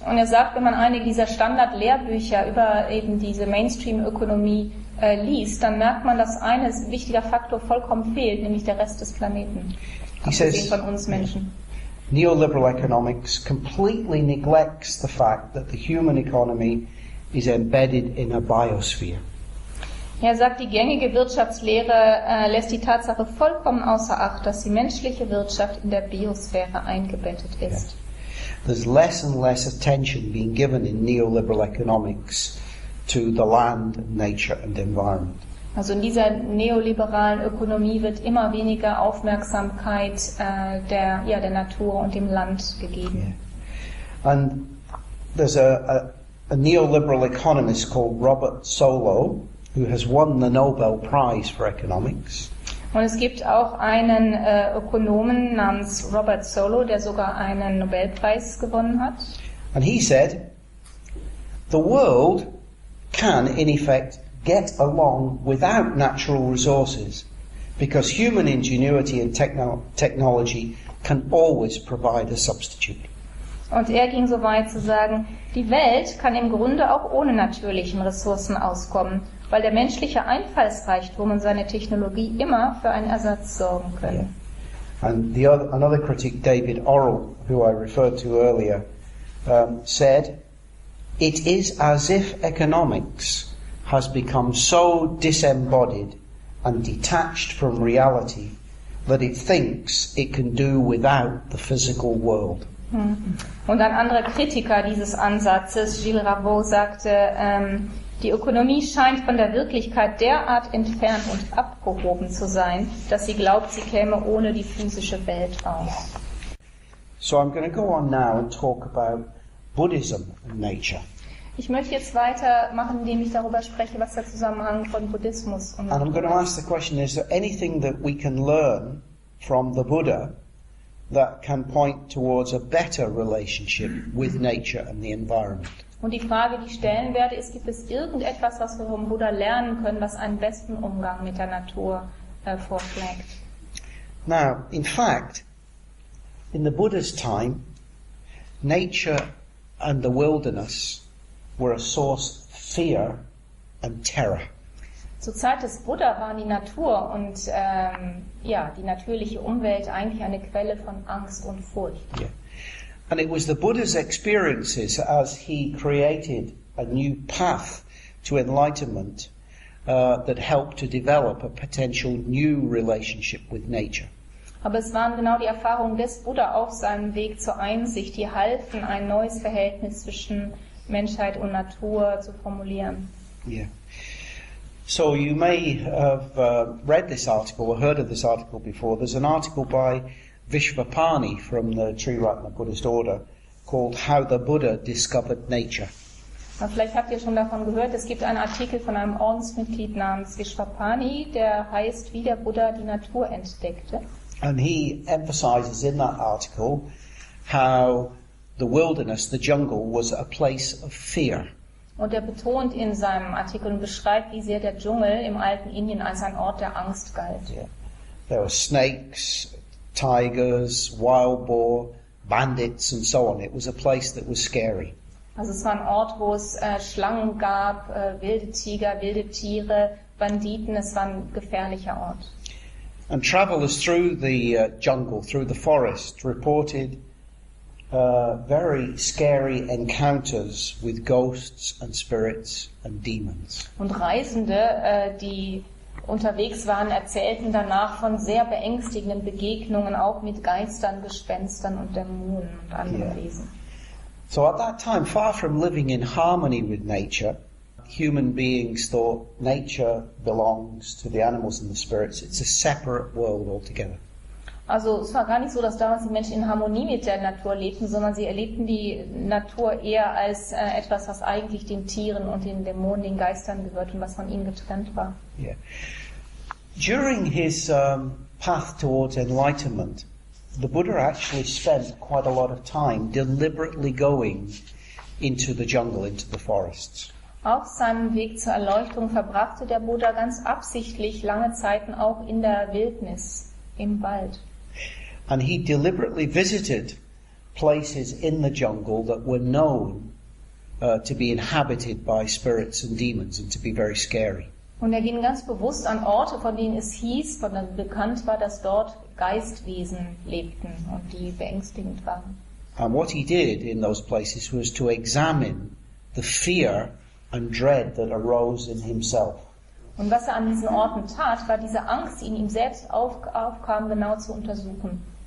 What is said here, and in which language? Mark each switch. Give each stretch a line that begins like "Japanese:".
German: Und er sagt, wenn man einige dieser Standard-Lehrbücher über eben diese Mainstream-Ökonomie liest, dann merkt man, dass ein wichtiger Faktor vollkommen fehlt, nämlich der Rest des Planeten, abgesehen von uns Menschen.
English: Neoliberal economics completely neglects the fact that the human economy is embedded in a biosphere.
German: Er sagt, die gängige Wirtschaftslehre lässt die Tatsache vollkommen außer Acht, dass die menschliche Wirtschaft in der Biosphäre eingebettet ist.
English: Yeah. There's less and less attention being given in neoliberal economics to the land, nature and environment.
German: Also in dieser neoliberalen Ökonomie wird immer weniger Aufmerksamkeit der Natur und dem Land gegeben.
English: Yeah. And there's a neoliberal economist called Robert Solow, who has won the Nobel Prize for Economics.
German: Und es gibt auch einen Ökonomen namens Robert Solow, der sogar einen Nobelpreis gewonnen hat.
English: And he said, the world can in effect get along without natural resources, because human ingenuity and technology can always provide a substitute.
German: Und er ging so weit zu sagen, die Welt kann im Grunde auch ohne natürlichen Ressourcen auskommen, weil der menschliche Einfallsreichtum und seine Technologie immer für einen Ersatz sorgen können.
English: Yeah. And the other, another critic, David Orrell, who I referred to earlier, said, it is as if economics has become so disembodied and detached from reality that it thinks it can do without the physical world.
German: Und ein anderer Kritiker dieses Ansatzes, Gilles Ravaux, sagte, die Ökonomie scheint von der Wirklichkeit derart entfernt und abgehoben zu sein, dass sie glaubt, sie käme ohne die physische Welt aus.
English: So I'm going to go on now and talk about Buddhism and nature.
German: Ich möchte jetzt weitermachen, indem ich darüber spreche, was der Zusammenhang von Buddhismus und Natur ist.
English: And I'm going to ask the question, is there anything that we can learn from the Buddha that can point towards a better relationship with nature and the environment?
German: Und die Frage, die ich stellen werde, ist, gibt es irgendetwas, was wir vom Buddha lernen können, was einen besten Umgang mit der Natur vorschlägt?
English: Now, in fact, in the Buddha's time, nature and the wilderness were a source of fear and terror.
German: Zur Zeit des Buddha waren die Natur und die natürliche Umwelt eigentlich eine Quelle von Angst und Furcht.
English: Yeah. And it was the Buddha's experiences as he created a new path to enlightenment that helped to develop a potential new relationship with nature.
German: Aber es waren genau die Erfahrungen des Buddha auf seinem Weg zur Einsicht, die halfen, ein neues Verhältnis zwischen Menschheit und Natur zu formulieren.
English: Yeah. So you may have read this article or heard of this article before. There's an article by Vishvapani from the Sri Ratna Buddhist Order called How the Buddha Discovered Nature.
German: Na, vielleicht habt ihr schon davon gehört, es gibt einen Artikel von einem Ordensmitglied namens Vishvapani, der heißt Wie der Buddha die Natur entdeckte.
English: And he emphasizes in that article how the wilderness, the jungle, was a place of fear.
German: Und er betont in seinem Artikel und beschreibt, wie sehr der Dschungel im alten Indien als ein Ort der Angst galt.
English: Yeah. There were snakes, tigers, wild boar, bandits and so on. It was a place that was scary.
German: Also es war ein Ort, wo es Schlangen gab, wilde Tiger, wilde Tiere, Banditen, es war ein gefährlicher Ort.
English: And travelers through the jungle, through the forest, reported very scary encounters with ghosts and spirits and demons.
German: Und Reisende, die unterwegs waren, erzählten danach von sehr beängstigenden Begegnungen, auch mit Geistern, Gespenstern und Dämonen und anderen Wesen.
English: So at that time, far from living in harmony with nature, human beings thought nature belongs to the animals and the spirits. It's a separate world altogether.
German: Also es war gar nicht so, dass damals die Menschen in Harmonie mit der Natur lebten, sondern sie erlebten die Natur eher als etwas, was eigentlich den Tieren und den Dämonen, den Geistern gehört und was von ihnen getrennt war.
English: Yeah. During his path towards enlightenment, the Buddha actually spent quite a lot of time deliberately going into the jungle, into the forests.
German: Auf seinem Weg zur Erleuchtung verbrachte der Buddha ganz absichtlich lange Zeiten auch in der Wildnis, im Wald.
English: And he deliberately visited places in the jungle that were known to be inhabited by spirits and demons and to be very scary.
German: Und er ging ganz bewusst an Orte, von denen es hieß, von denen bekannt war, dass dort Geistwesen lebten und die beängstigend waren.
English: And what he did in those places was to examine the fear and dread that arose in himself.
German: Und was er an diesen Orten tat, war diese Angst, die in ihm selbst aufkam, genau zu untersuchen.